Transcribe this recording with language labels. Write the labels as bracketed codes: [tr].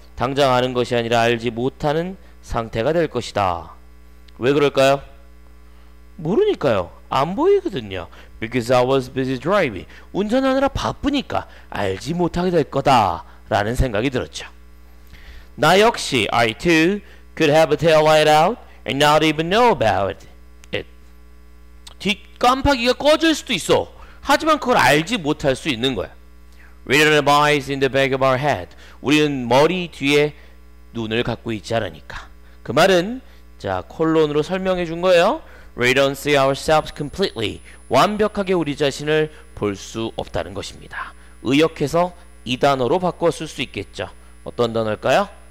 [ko] 당장 아는 것이 아니라 알지 못하는 상태가 될 것이다. 왜 그럴까요? 모르니까요. 안 보이거든요. [en] Because I was busy driving. [ko] 운전하느라 바쁘니까 알지 못하게 될 거다라는 생각이 들었죠. 나 역시 [en] I too could have a tail light out and not even know about it. [ko] 뒷깜빡이가 꺼질 수도 있어. 하지만 그걸 알지 못할 수 있는 거야. [en] We don't have eyes in the back of our head. [ko] 우리는 머리 뒤에 눈을 갖고 있지 않으니까. 그 말은 자 콜론으로 설명해 준 거예요. [en] We don't see ourselves completely. [ko] 완벽하게 우리 자신을 볼 수 없다는 것입니다. 의역해서 이 단어로 바꿔 쓸 수 있겠죠. 어떤 단어일까요?